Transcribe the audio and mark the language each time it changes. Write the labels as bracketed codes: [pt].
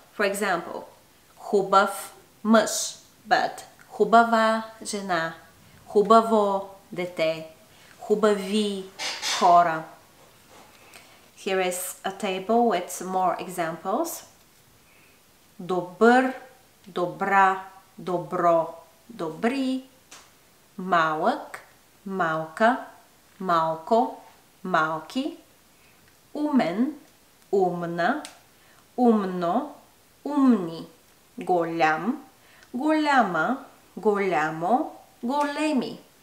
[en] For example, [bg] хубав, мъж, but хубава жена, хубаво дете, хубави хора. [en] Here is a table with some more examples. [bg] Добър, добра, добро, добри, малък, малка, малко, малки, Умен, умна, умно, умни, голям, голяма, голямо, големи.